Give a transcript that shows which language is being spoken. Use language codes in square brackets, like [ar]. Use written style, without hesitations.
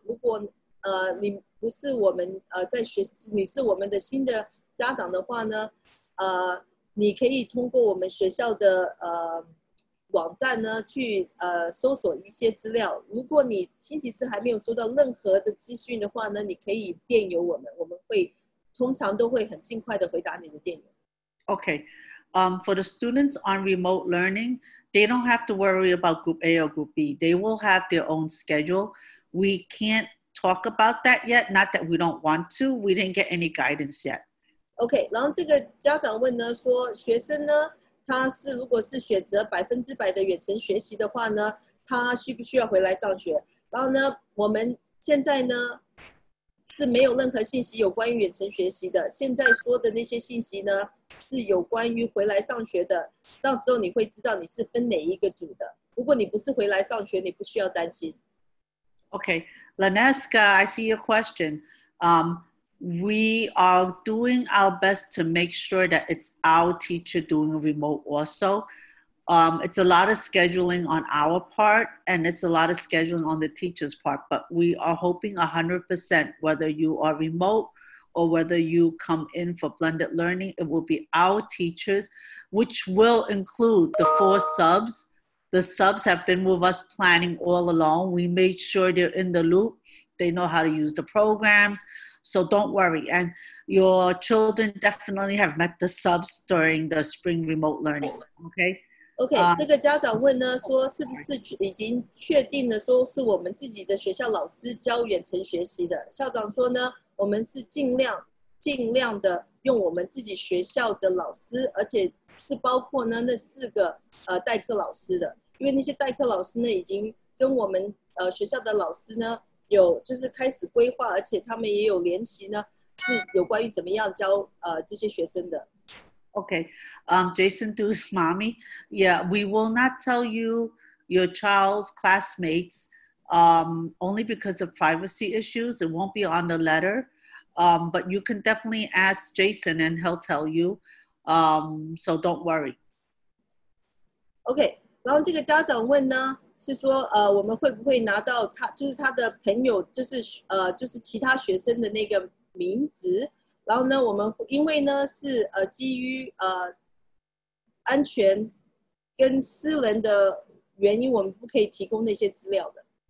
[zh] 如果你不是我们在学，你是我们的新的家长的话呢，你可以通过我们学校的网站呢去搜索一些资料。如果你星期四还没有收到任何的资讯的话呢，你可以电邮我们，我们会通常都会很尽快的回答你的电邮。 [en] Okay. For the students on remote learning, they don't have to worry about group A or group B. They will have their own schedule. We can't talk about that yet. Not that we don't want to. We didn't get any guidance yet. Okay. [zh] 然后这个家长问呢，说学生呢，他是如果是选择100%的远程学习的话呢，他需不需要回来上学？然后呢，我们现在呢是没有任何信息有关于远程学习的。现在说的那些信息呢，是有关于回来上学的。到时候你会知道你是分哪一个组的。如果你不是回来上学，你不需要担心。 [en] Okay, Laneska, I see your question. We are doing our best to make sure that it's our teacher doing remote also. It's a lot of scheduling on our part, and it's a lot of scheduling on the teacher's part, but we are hoping 100%, whether you are remote or whether you come in for blended learning, it will be our teachers, which will include the four subs. The subs have been with us planning all along. We made sure they're in the loop. They know how to use the programs. So don't worry. And your children definitely have met the subs during the spring remote learning. Okay? [zh] Okay, 这个家长问呢，说是不是已经确定了说是我们自己的学校老师教远程学习的？校长说呢，我们是尽量的用我们自己学校的老师，而且是包括呢那四个代课老师的，因为那些代课老师呢已经跟我们学校的老师呢有就是开始规划，而且他们也有联系呢，是有关于怎么样教这些学生的。 [en] Okay, Jason Du's mommy. Yeah, we will not tell you your child's classmates, only because of privacy issues. It won't be on the letter, but you can definitely ask Jason and he'll tell you. So don't worry. [zh] Okay, 然后这个家长问呢，是说我们会不会拿到他，就是他的朋友，就是就是其他学生的那个名字。然后呢，我们因为呢是基于安全跟私人的原因，我们不可以提供那些资料的。